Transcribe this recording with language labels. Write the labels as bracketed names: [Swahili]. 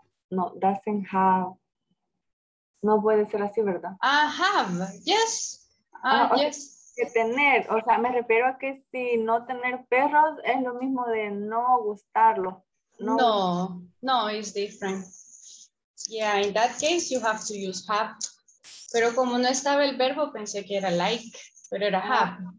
[English] No, doesn't have. [Spanish] No puede ser así, ¿verdad? [English] I have, yes. Yes. [Spanish] Que tener, o sea, me refiero a que si no tener perros es lo mismo de no gustarlo. [English] No, no, no, it's different. Yeah, in that case you have to use have. [Spanish] Pero como no estaba el verbo, pensé que era like, pero era have.